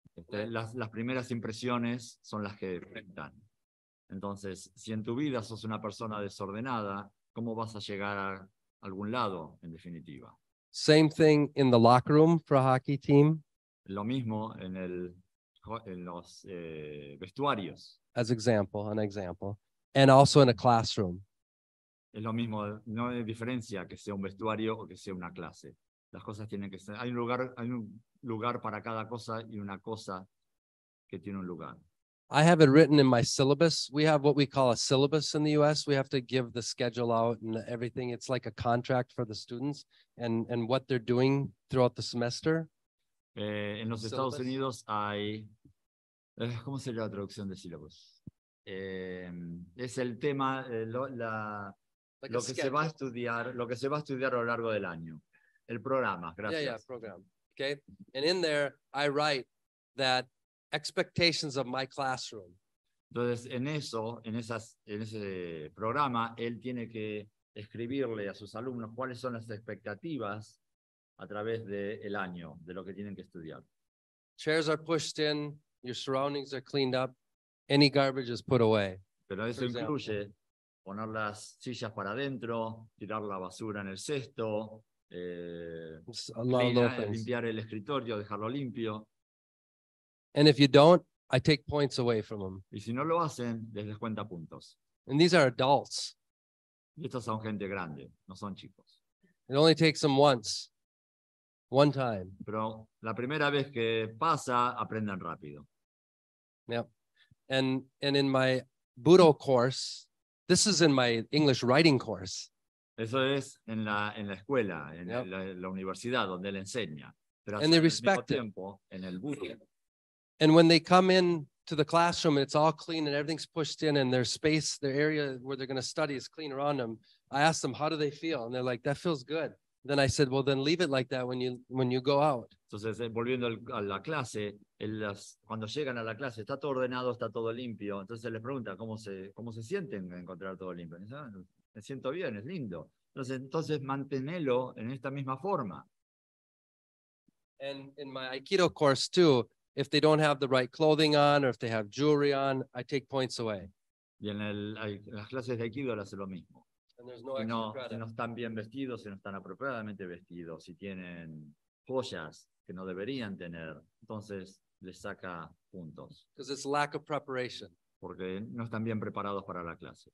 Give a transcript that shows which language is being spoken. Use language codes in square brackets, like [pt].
[es] Las primeras impresiones son las que cuentan. Entonces, si en tu vida sos una persona desordenada, ¿cómo vas a llegar a algún lado, en definitiva? [en] Same thing in the locker room for a hockey team. [es] Lo mismo en el en los vestuarios. [en] As an example, and also in a classroom. [es] Es lo mismo, no hay diferencia que sea un vestuario o que sea una clase. Las cosas tienen que ser. Hay un lugar para cada cosa y una cosa que tiene un lugar. [en] I have it written in my syllabus. We have what we call a syllabus in the U.S. We have to give the schedule out and everything. It's like a contract for the students and what they're doing throughout the semester. [es] En los syllabus. Estados Unidos hay... ¿Cómo sería la traducción de syllabus? Es el tema, lo que se va a estudiar a lo largo del año. El programa, gracias. [en] Yeah, program. Okay. And in there, I write that expectations of my classroom. [es] Entonces, en eso, en ese programa, él tiene que escribirle a sus alumnos cuáles son las expectativas a través del año, de lo que tienen que estudiar. [en] Chairs are pushed in, your surroundings are cleaned up, any garbage is put away. [es] Pero eso incluye poner las sillas para adentro, tirar la basura en el cesto, limpiar el escritorio, dejarlo limpio. [en] And if you don't, I take points away from them. [es] Y si no lo hacen, les descuento puntos. [en] And these are adults. [es] Y estos son gente grande, no son chicos. [en] It only takes them once. One time. [es] Pero la primera vez que pasa, aprenden rápido. [en] Yeah. And in my Budo course, this is in my English writing course. [es] Eso es en la escuela, en yep. la universidad donde él enseña. Pero [en] and they respect [es] tiempo, [en] it. [es] En el Budo. [en] And when they come in to the classroom and it's all clean and everything's pushed in and their space, their area where they're going to study is clean around them, I ask them, how do they feel? And they're like, that feels good. Then I said, well, then leave it like that when you go out. [es] Entonces, volviendo a la clase, cuando llegan a la clase, está todo ordenado, está todo limpio. Entonces les pregunta, ¿cómo se sienten a encontrar todo limpio? Dice, ah, me siento bien, es lindo. Entonces manténelo en esta misma forma. [en] And in my Aikido course too, if they don't have the right clothing on or if they have jewelry on, I take points away. [es] Y en las clases de Aikido hace lo mismo. No, si no están bien vestidos, si no están apropiadamente vestidos, si tienen joyas que no deberían tener, entonces les saca puntos. [en] Because it's lack of preparation. [es] Porque no están bien preparados para la clase.